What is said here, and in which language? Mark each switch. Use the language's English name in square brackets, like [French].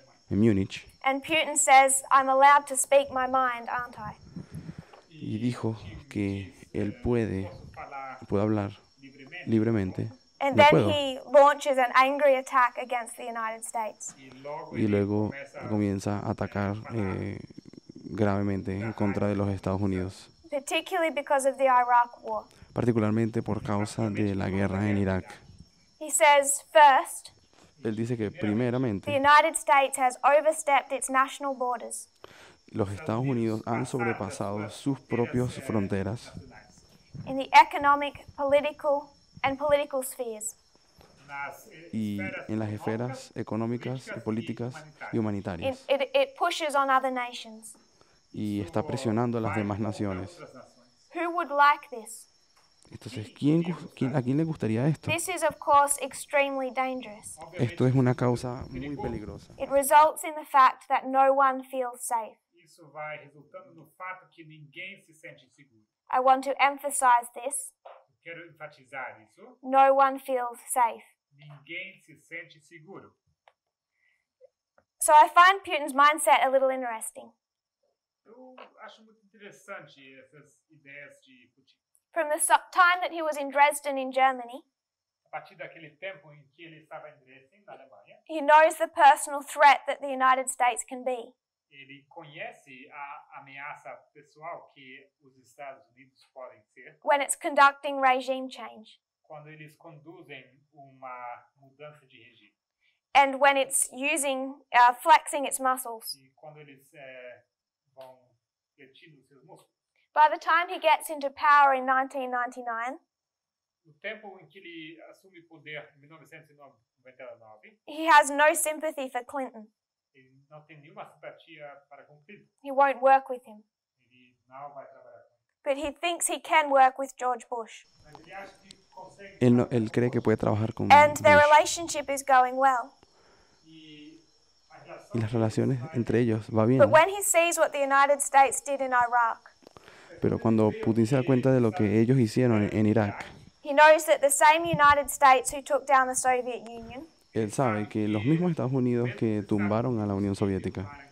[English] and Putin says I'm allowed to speak my mind, aren't I? [Spanish] Y dijo que él puede hablar libremente. [English] And then he launches an angry attack against the United States. [Spanish] Y luego comienza a atacar gravemente en contra de los Estados Unidos. [English] Particularly because of the Iraq war. [Spanish] Particularmente por causa de la guerra en Irak. [English] He says first. [Spanish] Él dice que primeramente. [English] The United States has overstepped its national borders. [Spanish] Los Estados Unidos han sobrepasado sus propias fronteras. [English] In the economic, political, and political spheres. [Spanish] Y en las esferas económicas, políticas y humanitarias. [English] It pushes on other nations. [Spanish] Y está presionando a las demás naciones. [English] Who would like this? [Spanish] Entonces, ¿a quién le gustaría esto? [English] This is of course extremely dangerous. [Spanish] Esto es una causa muy peligrosa. [English] It results in the fact that no one feels safe. [Portuguese] Isso vai resultando no fato que ninguém se sente seguro. [English] I want to emphasize this. [Portuguese] Quero enfatizar isso. [English] No one feels safe. [Portuguese] Ninguém se sente seguro. [English] So I find Putin's mindset a little interesting. [Portuguese] Eu acho muito interessante essas ideias de Putin. [English] From the time that he was in Dresden in Germany, [Portuguese] a partir daquele tempo em que ele estava em Dresden, na Alemanha, [English] he knows the personal threat that the United States can be. [Portuguese] Ele conhece a ameaça pessoal que os Estados Unidos podem ser. [English] When it's conducting regime change. [Portuguese] Quando eles conduzem uma mudança de regime. [English] And when it's using, flexing its muscles. [Portuguese] E quando eles vão flexindo seus músculos. [English] By the time he gets into power in 1999, [Portuguese] no tempo em que ele assume poder, 1999, [English] he has no sympathy for Clinton. [Portuguese] Ele não tem nenhuma simpatia para com Clinton. [English] He won't work with him. [Portuguese] Ele não vai trabalhar com ele. [English] But he thinks he can work with George Bush. [Portuguese] Mas ele acha que consegue. Ele, não, [Spanish] ele cree que puede trabajar con [English] and Bush. Their relationship is going well. [Spanish] Y las relaciones entre ellos va bien. [English] But when he sees what the United States did in Iraq, [Spanish] pero cuando Putin se da cuenta de lo que ellos hicieron en Irak, él sabe que los mismos Estados Unidos que tumbaron a la Unión Soviética